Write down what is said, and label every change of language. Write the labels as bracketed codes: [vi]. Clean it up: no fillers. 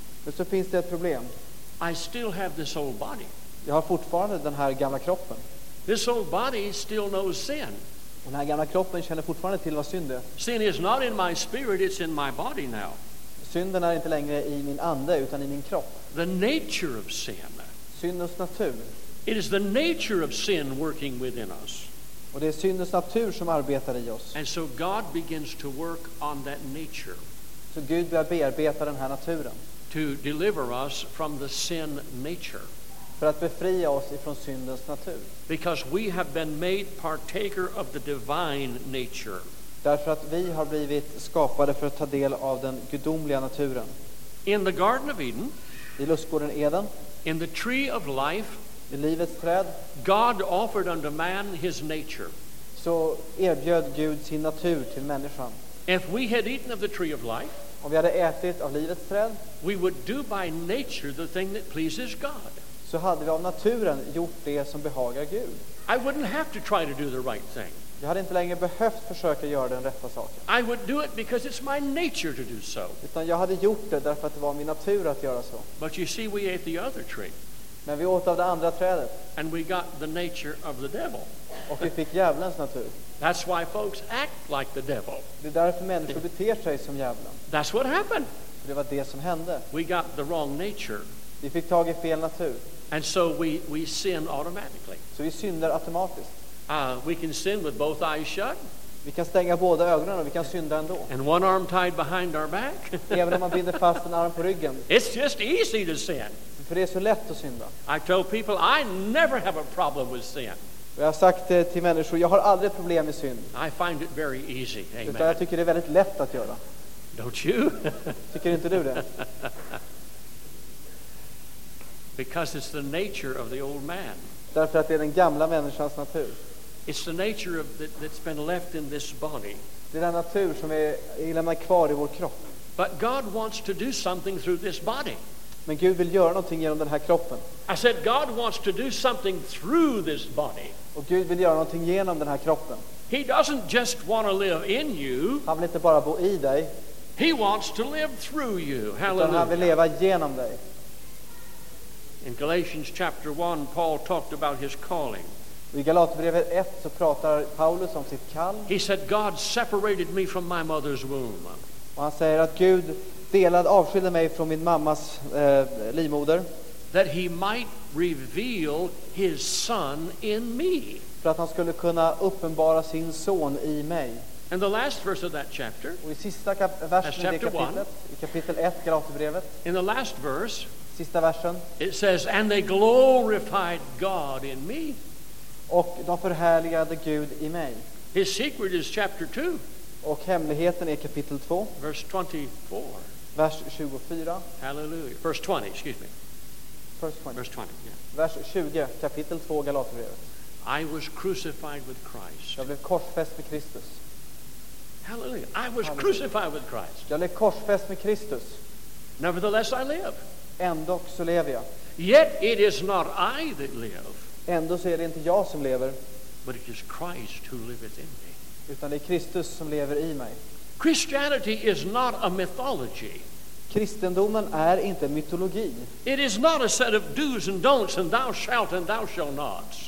[sv] Men så finns det ett problem. [en] I still have this old body. [sv] Jag har fortfarande den här gamla kroppen. [en] This old body still knows sin. [sv] Den här gamla kroppen känner fortfarande till vad synd är. [en] Sin is not in my spirit, it's in my body now. [sv] Synden är inte längre i min ande utan i min kropp. [en] The nature of sin. [sv] Syndens natur. [en] It is the nature of sin working within us. [sv] Och det är syndens natur som arbetar i oss. [en] And so God begins to work on that nature. [sv] Så Gud börjar bearbeta den här naturen. [en] To deliver us from the sin nature. [sv] För att befria oss ifrån syndens natur. [en] Because we have been made partaker of the divine nature. [sv] Därför att vi har blivit skapade för att ta del av den gudomliga naturen. [en] In the Garden of Eden. [sv] I lustgården Eden. [en] In the tree of life. [sv] I livets träd. [en] God offered unto man his nature. [sv] Så erbjöd Gud sin natur till människan. [en] If we had eaten of the tree of life. [sv] Om vi hade ätit av livets träd. [en] We would do by nature the thing that pleases God. [sv] Så hade vi av naturen gjort det som behagar Gud. [en] I wouldn't have to try to do the right thing. [sv] Jag hade inte längre behövt försöka göra den rätta saken. [en] I would do it because it's my nature to do so. [sv] Utan jag hade gjort det därför att det var min natur att göra så. [en] But you see, we ate the other tree. [sv] Men vi åt av det andra trädet. [en] And we got the nature of the devil. [sv] Och vi fick djävulens natur. [en] That's why folks act like the devil. [sv] Det är därför människor beter sig som djävulen. [en] That's what happened. [sv] Det var det som hände. [en] We got the wrong nature. [sv] Vi fick tag i fel natur. [en] And so we sin automatically. [sv] Så vi syndar automatiskt. [en] We can sin with both eyes shut. [sv] Vi kan stänga båda ögonen och vi kan synda ändå. [en] And one arm tied behind our back. [sv] Även om man binder fast en arm på ryggen. [en] It's just easy to sin. [sv] För det är så lätt att synda. [en] I tell people I never have a problem with sin. [sv] Jag har sagt till människor jag har aldrig problem med synd. [en] I find it very easy. Amen. [sv] Utan jag tycker det är väldigt lätt att göra. [en] Don't you? [sv] Tycker inte du det? [en] Because it's the nature of the old man. [sv] Därför att det är den gamla människans natur. [en] It's the nature of that's been left in this body. [sv] Det är den natur som är lämnat kvar i vår kropp. [en] But God wants to do something through this body. [sv] Men Gud vill göra någonting genom den här kroppen. [en] I said God wants to do something through this body. [sv] Och Gud vill göra någonting genom den här kroppen. [en] He doesn't just want to live in you. [sv] Han vill inte bara bo i dig. [en] He wants to live through you. Hallelujah. [sv] Utan han vill leva genom dig. [en] In Galatians chapter 1 Paul talked about his calling. [sv] I Galaterbrevet 1 så pratar Paulus om sitt kall. [en] He said God separated me from my mother's womb. [sv] Och han säger att Gud delad avskilde mig från min mammas livmoder. [en] That he might reveal his son in me. [sv] För att han skulle kunna uppenbara sin son i mig. [en] And the last verse of that chapter. [sv] Och i sista versen i kapitlet, i kapitel 1 Galaterbrevet. [en] In the last verse. [sv] Sista versen. [en] It says, and they glorified God in me. [sv] Och de förhärligade Gud i mig. [en] His secret is chapter 2. [sv] Och hemligheten är kapitel 2. [en] Verse 24. [sv] Vers 24. [en] Hallelujah. Verse 20, excuse me. Verse 20. Verse 20, yeah. [sv] Vers 20, kapitel 2, Galaterbrevet. [en] I was crucified with Christ. [sv] Jag blev korsfäst med Kristus. [en] Hallelujah. I was crucified with Christ. [sv] Jag blev korsfäst med Kristus. [en] Nevertheless I live. [sv] Ändå så lever jag. [en] Yet it is not I that live. [sv] Ändå så är det inte jag som lever. [en] But it is Christ who liveth in me. [sv] Utan det är Kristus som lever i mig. [en] Christianity is not a mythology. [sv] Kristendomen är inte mytologi. [en] It is not a set of do's and don'ts and thou shalt and thou shall not.